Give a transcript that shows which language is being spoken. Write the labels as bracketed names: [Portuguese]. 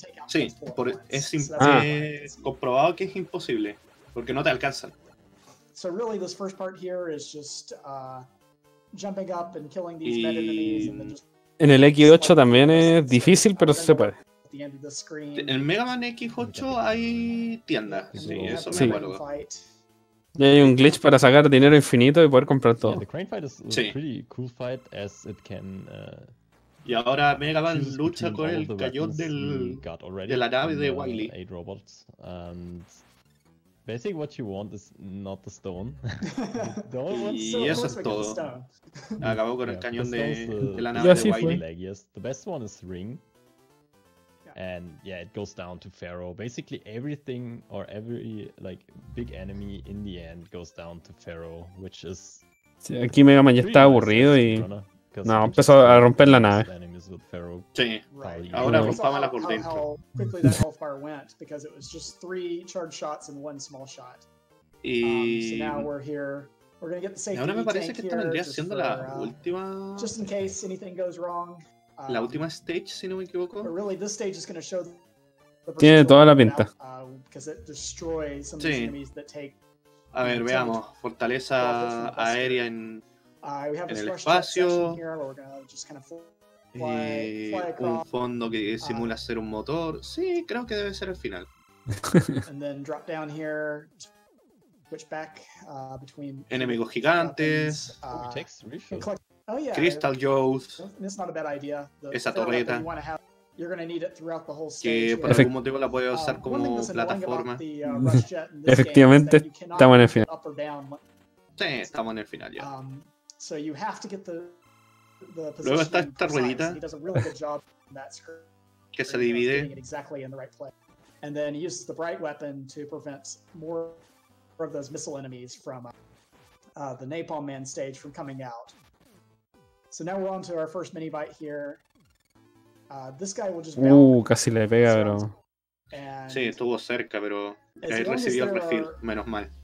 [Spanish] Sí, es comprobado que es imposible, porque no te alcanzan. [English] So really this first part here is just jumping up and killing these men and enemies. [Spanish] En el X8 también es difícil, pero sí se puede. En Mega Man X8 hay tienda. Sí, eso me acuerdo. Ya hay un glitch para sacar dinero infinito y poder comprar todo. [English] The crane fight is a pretty cool fight as it can. [Spanish] Y ahora Mega Man lucha con el cañón de la nave de Wily. [English] Eight robots. Basically, what you want is not the stone. [Spanish] Y eso es todo. Acabó con el cañón de la nave de Wily. [English] Yes, the best one is ring. And yeah, it goes down to Pharaoh. Basically everything or every like big enemy in the end goes down to Pharaoh, which is [Spanish] sí, aquí Mega Man ya está aburrido y no empezó a romper la nave. Sí. [English] Right. [Spanish] Ahora rompámosla por dentro. [English] How quickly that health bar went because it was just three charged shots and one small shot. So now we're here. We're gonna get the safety. [Spanish] Ahora me parece que esta vendría siendo la última. [English] Just in case anything goes wrong. [Spanish] La última stage, si no me equivoco. [English] Really, this stage is going to show the [Spanish] tiene toda la pinta. [English] Because it destroys some of the enemies that take. [Spanish] A ver, veamos. Fortaleza aérea en el espacio. Un fondo que simula ser un motor. Sí, creo que debe ser el final. [English] And then drop down here. Switch back between [Spanish] enemigos gigantes. [English] Oh, yeah. Crystal Joes. It's not a bad idea. [Spanish] Esa torreta. [English] You're going to need it throughout the whole stage. [Spanish] Que por algún motivo la puede usar como plataforma. Efectivamente, estamos en el final. Sí, estamos en el final ya. [English] So you have to get the position. [Spanish] Luego está esta ruedita. [English] He does a really good job on that screen. [Spanish] Que se divide. [English] Exactly in the right place. And then he uses the bright weapon to prevent more of those missile enemies from the Napalm Man stage from coming out. So now we're on to our first mini bite here. This guy will just [Spanish] casi le pega, bro. Sí, estuvo cerca, pero ahí recibió el refill, menos mal.